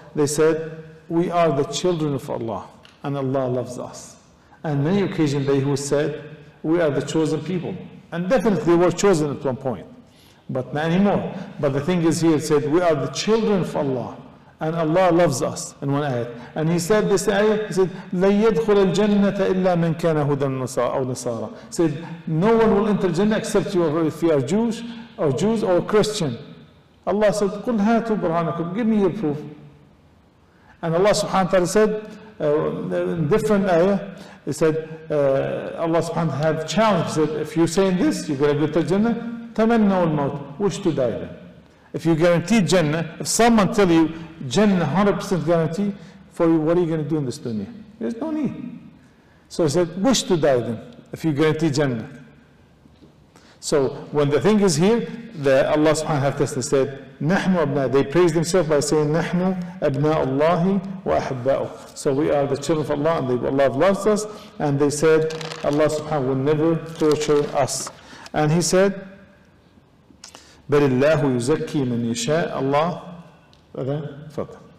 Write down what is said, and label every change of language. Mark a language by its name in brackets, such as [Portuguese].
[English] They said, we are the children of Allah, and Allah loves us. And many occasions they who said, we are the chosen people. And definitely they were chosen at one point, but not anymore. But the thing is, here it said, we are the children of Allah, and Allah loves us, in one ayat. And he said this ayat, he said, [Arabic] لَن يَدْخُلَ الْجَنَّةَ إِلَّا مَنْ كَانَ هُدًا أَوْ نَصَارًا. [English] He said, no one will enter Jannah except you, if you are Jews or Christian. [Arabic] Allah said, قُلْ هَاتُوا بُرْهَانَكُمْ. [English] Give me your proof. And Allah subhanahu wa ta'ala said, in different ayah, he said, Allah subhanahu wa ta'ala have challenged, said, if you're saying this, you're going to go to Jannah, [Arabic] تَمَنَّوا الْمَوْتِ, [English] wish to die then. If you guarantee Jannah, if someone tell you, Jannah 100% guarantee for you, what are you going to do in this dunya? There's no need. So he said, wish to die then, if you guarantee Jannah. So when the thing is here, the Allah subhanahu wa ta'ala said, [Arabic] نَحْنُ أَبْنَاءُ, [English] they praise themselves by saying, [Arabic] نَحْنُ أَبْنَاءُ اللَّهِ وَأَحْبَّاءُ. [English] So we are the children of Allah, and Allah loves us. And they said, Allah subhanahu wa ta'ala will never torture us. And he said, [Arabic] بَلِ اللَّهُ يُزَكِّي مَنْ يَشَاءُ. Allah, أذن فضل.